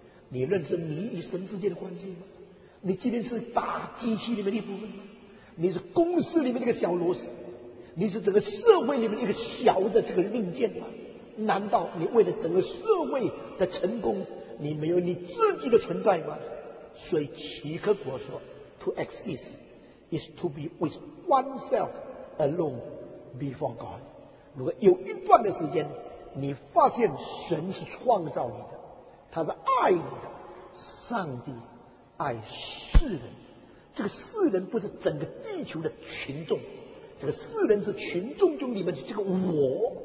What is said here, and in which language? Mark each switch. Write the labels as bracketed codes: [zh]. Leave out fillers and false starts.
[zh] 你认识你与神之间的关系吗？你今天是大机器里面的一部分吗？你是公司里面的一个小螺丝？你是整个社会里面的一个小的这个令箭吗？难道你为了整个社会的成功，你没有你自己的存在吗？所以齐克果说 [en] To exist is to be with oneself alone before God。 [zh] 如果有一段的时间你发现神是创造你的，他是爱你的，上帝爱世人，这个世人不是整个地球的群众，这个世人是群众中里面的这个我。